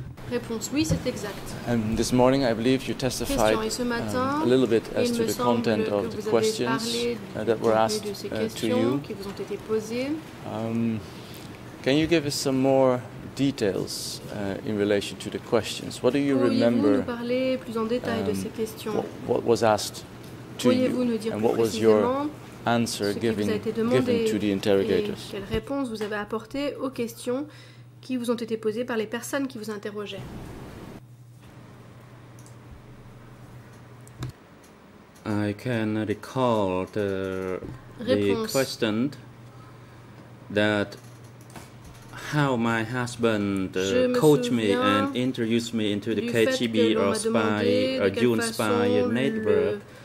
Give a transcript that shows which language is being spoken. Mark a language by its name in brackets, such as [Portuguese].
[French] Réponse, oui, c'est exact. [English] This morning, I believe you testified a little bit as to the content of the questions that were asked to you. [French] Qui vous ont été posées. [English] Can you give us some more details in relation to the questions? What do you remember? [French] Nous parler plus en détail de ces questions? [English] What was asked to you? [French] Nous dire [English] and what was your answer given to the interrogators? [French] Et quelle réponse vous avez apporté aux questions qui vous ont été posées par les personnes qui vous interrogeaient? [English] I can recall the question that how my husband coached me and introduced me into the KGB or spy, a dual spy network.